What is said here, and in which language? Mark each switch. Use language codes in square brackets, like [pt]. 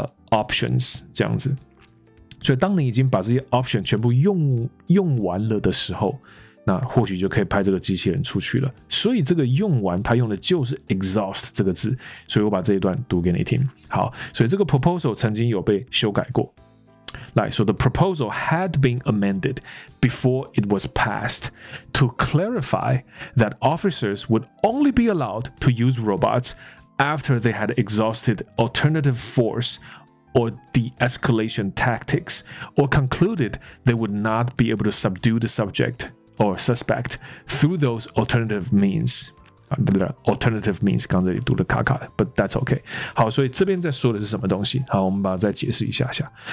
[zh] Options 这样子，所以当你已经把这些 option 全部用完了的时候，那或许就可以派这个机器人出去了。所以这个用完，他用的就是 exhaust 这个字。所以我把这一段读给你听。好，所以这个 proposal 曾经有被修改过。来， [en] so the proposal had been amended before it was passed to clarify that officers would only be allowed to use robots. After they had exhausted alternative force or de-escalation tactics, or concluded they would not be able to subdue the subject or suspect through those alternative means. Alternative means, [zh] 刚才读的卡卡的 [en] but that's okay. [zh] 好，所以这边在说的是什么东西？好，我们把它再解释一下下。